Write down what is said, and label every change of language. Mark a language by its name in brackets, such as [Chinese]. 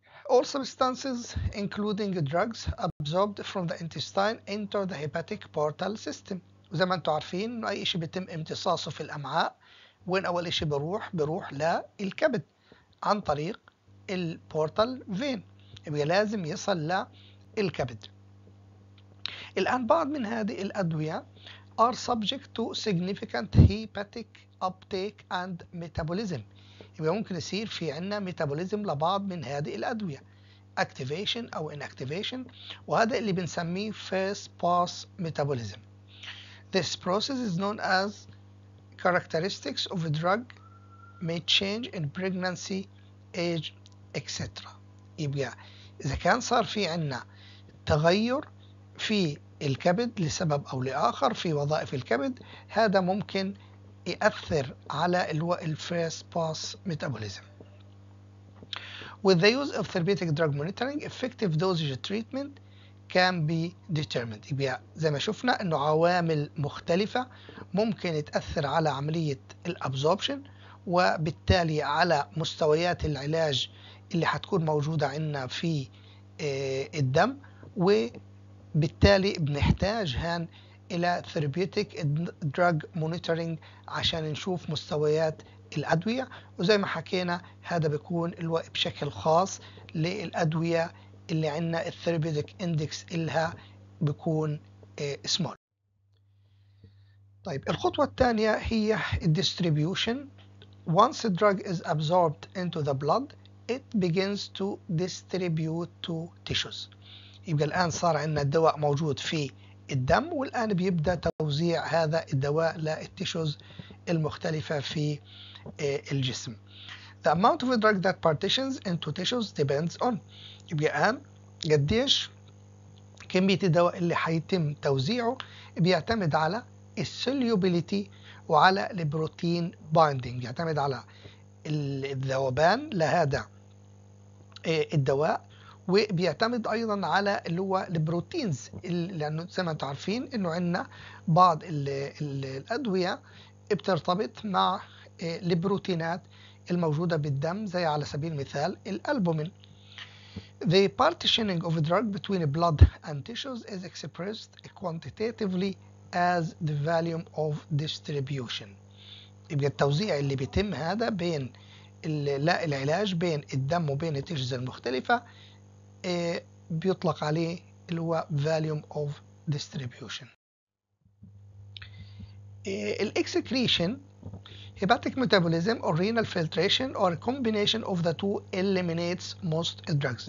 [English] All substances including drugs absorbed from the intestine enter the hepatic portal system. [Arabic] وزي ما انتم عارفين اي شيء بيتم امتصاصه في الامعاء وين اول شيء بروح للكبد عن طريق البورتال فين، يبقى لازم يصل للكبد. الان بعض من هذه الادويه [English] are subject to significant hepatic uptake and metabolism، [Arabic] يبقى ممكن يصير في عنا ميتابوليزم لبعض من هذه الأدوية activation أو inactivation، وهذا اللي بنسميه first pass metabolism. [English] This process is known as characteristics of a drug may change in pregnancy age etc. [Arabic] يبقى إذا كان صار في عنا تغير في الكبد لسبب أو لآخر في وظائف الكبد هذا ممكن يأثر على first pass metabolism. [English] With the use of therapeutic drug monitoring, effective dosage treatment can be determined. [Arabic] يبقى زي ما شفنا انه عوامل مختلفة ممكن تأثر على عملية الابزوربشن وبالتالي على مستويات العلاج اللي حتكون موجودة عندنا في الدم، وبالتالي بنحتاج هان إلى therapeutic drug monitoring عشان نشوف مستويات الأدوية، وزي ما حكينا هذا بيكون بشكل خاص للأدوية اللي عندنا therapeutic index إلها بيكون small. طيب الخطوة الثانية هي distribution. [English] Once a drug is absorbed into the blood, it begins to distribute to tissues. [Arabic] يبقى الآن صار عندنا الدواء موجود في الدم والآن بيبدأ توزيع هذا الدواء للتيشوز المختلفة في الجسم. [English] The amount of drug that partitions into tissues depends on. [Arabic] يبقى الآن قديش كمية الدواء اللي حيتم توزيعه بيعتمد على السوليوبيليتي وعلى البروتين بايندينج، يعتمد على الذوبان لهذا الدواء، وبيعتمد ايضا على اللي هو البروتينز، لانه زي ما انتم عارفين انه عندنا بعض الادويه بترتبط مع البروتينات الموجوده بالدم، زي على سبيل المثال الالبومين. [English] The partitioning of a drug between blood and tissues is expressed quantitatively as the volume of distribution. [Arabic] يبقى التوزيع اللي بيتم هذا بين العلاج بين الدم وبين التيشوز المختلفة بيطلق عليه اللي هو volume of distribution. [English] الاكسكريشن، hepatic metabolism or renal filtration or a combination of the two eliminates most drugs.